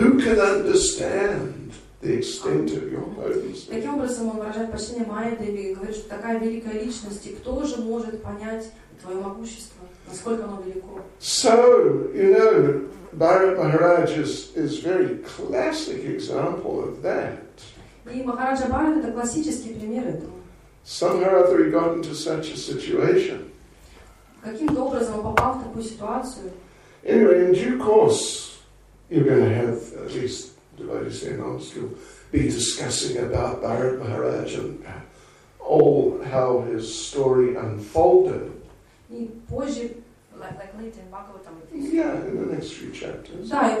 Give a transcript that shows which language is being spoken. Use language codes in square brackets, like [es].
[en] Who can understand the extent of your potency? [ru] Таким образом он выражает почтение Майя Деви и говорит, что такая великая личность, и кто же может понять твое могущество, насколько оно велико? [en] So, you know, Bharat Maharaj is very classic example of that. [ru] И Махараджа Бхарат это классический пример этого. [en] Somehow or other he got into such a situation. [ru] Каким-то образом он попал в такую ситуацию. [en] Anyway, in due course, you're going to have, at least, devotees say, monks, you'll be discussing about Bharat Maharaj and all how his story unfolded. Yeah, in the next few chapters.